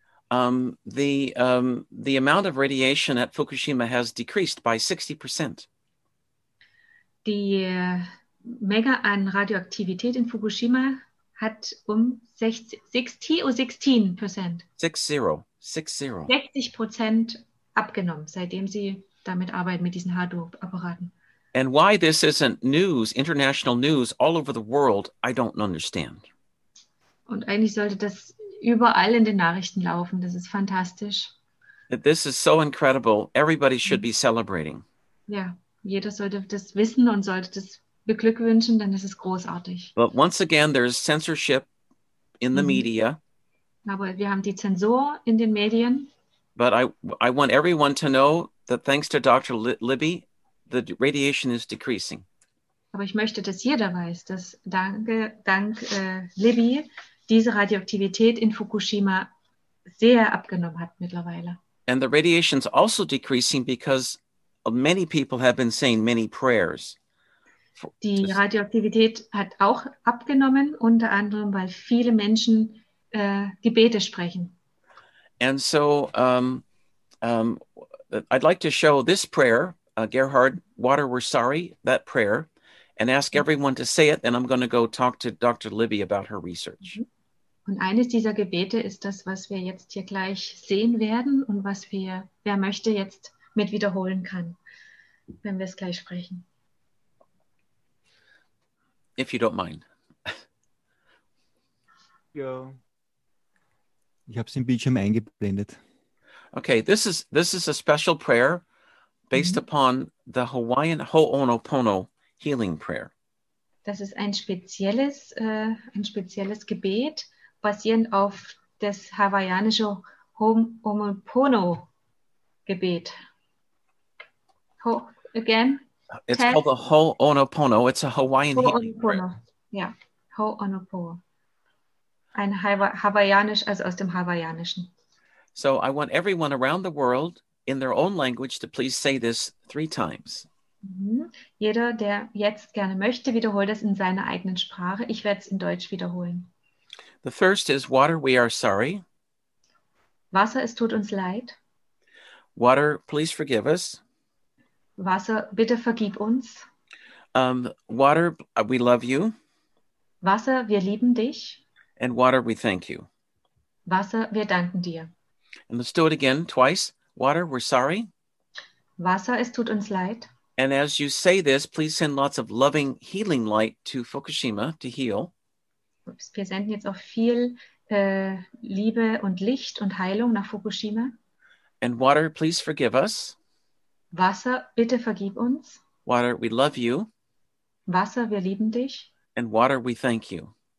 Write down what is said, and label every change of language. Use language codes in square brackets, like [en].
[en] The amount of radiation at Fukushima has decreased by 60%. [de] Die Menge an Radioaktivität in Fukushima hat um 60% abgenommen, seitdem sie damit arbeiten, mit diesen Hado-Apparaten. [en] And why this isn't news, international news, all over the world, I don't understand. [de] Und eigentlich sollte das überall in den Nachrichten laufen. Das ist fantastisch. [en] This is so incredible. Everybody should be celebrating. [de] Ja, jeder sollte das wissen und sollte das beglückwünschen, denn es ist großartig. [en] But once again, there's censorship in the media. [de] Aber wir haben die Zensur in den Medien. [en] But I want everyone to know that thanks to Dr. Libby, the radiation is decreasing. [de] Aber ich möchte, dass jeder weiß, dass dank Libby diese Radioaktivität in Fukushima sehr abgenommen hat mittlerweile. [en] And the radiation is also decreasing because many people have been saying many prayers. [de] Die Radioaktivität hat auch abgenommen, unter anderem, weil viele Menschen Gebete sprechen. [en] And so I'd like to show this prayer, Gerhard Water, we're sorry, that prayer, and ask everyone to say it, and I'm going to go talk to Dr. Libby about her research. [de] Und eines dieser Gebete ist das, was wir jetzt hier gleich sehen werden und was wir, wer möchte, jetzt mit wiederholen kann, wenn wir es gleich sprechen. [en] If you don't mind. [de] Ja. Ich habe es im Bildschirm eingeblendet. [en] Okay, this is a special prayer based upon the Hawaiian Ho'onopono healing prayer. [de] Das ist ein spezielles Gebet basierend auf das hawaiianische Ho'onopono Gebet. [en] again? It's called the Ho'onopono. It's a Hawaiian [de] healing prayer. Yeah, Ho'onopono. Ein Hawaiianisch, also aus dem Hawaiianischen. [en] So I want everyone around the world in their own language to please say this three times. Mm-hmm. [de] Jeder, der jetzt gerne möchte, wiederholt es in seiner eigenen Sprache. Ich werde es in Deutsch wiederholen. [en] The first is water, we are sorry. [de] Wasser, es tut uns leid. [en] Water, please forgive us. [de] Wasser, bitte vergib uns. [en] Water, we love you. [de] Wasser, wir lieben dich. [en] And water, we thank you. [de] Wasser, wir danken dir. [en] And let's do it again, twice. Water, we're sorry. [de] Wasser, es tut uns leid. [en] And as you say this, please send lots of loving, healing light to Fukushima to heal. [de] Oops, wir senden jetzt auch viel Liebe und Licht und Heilung nach Fukushima. [en] And water, please forgive us. [de] Wasser, bitte vergib uns. [en] Water, we love you. [de] Wasser, wir lieben dich. [en] And water, we thank you.